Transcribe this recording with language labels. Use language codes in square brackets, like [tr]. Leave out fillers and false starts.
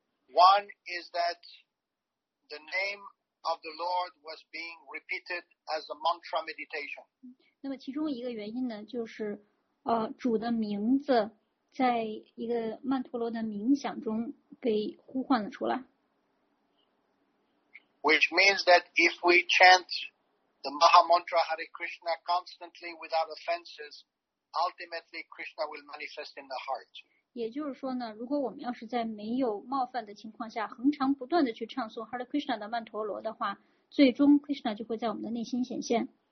[en] One is that the name of the Lord was being repeated as a mantra meditation. [zh] 那么其中一个原因呢，就是主的名字在一个曼陀罗的冥想中被呼唤了出来。 [en] Which means that if we chant the Maha Mantra Hare Krishna constantly without offenses, ultimately Krishna will manifest in the heart. [zh] 也就是说呢，如果我们要是在没有冒犯的情况下，恒常不断的去唱诵 Hare Krishna 的曼陀罗的话，最终 Krishna 就会在我们的内心显现。